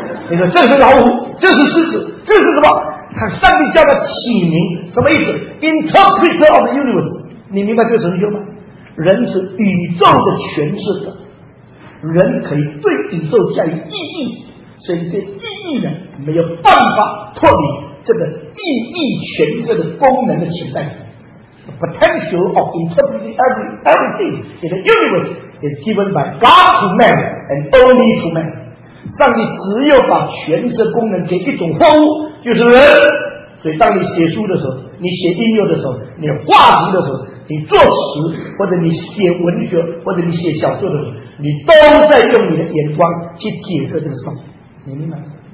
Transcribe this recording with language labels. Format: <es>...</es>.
<zh>你说这是老虎，这是狮子，这是什么？看上帝叫他起名什么意思</zh> <en>Interpreter of the universe，</en> <zh>你明白这个神学吗？人是宇宙的诠释者，人可以对宇宙加以意义，所以这意义呢没有办法脱离这个意义诠释的功能的存在。</zh> <en>The potential of interpreting everything in the universe is given by God to man and only to man。</en> <zh>上帝只有把诠释功能给一种货物，就是人。所以当你写书的时候，你写音乐的时候，你画图的时候，你作词或者你写文学或者你写小说的时候，你都在用你的眼光去解释这个事，你明白吗？</zh>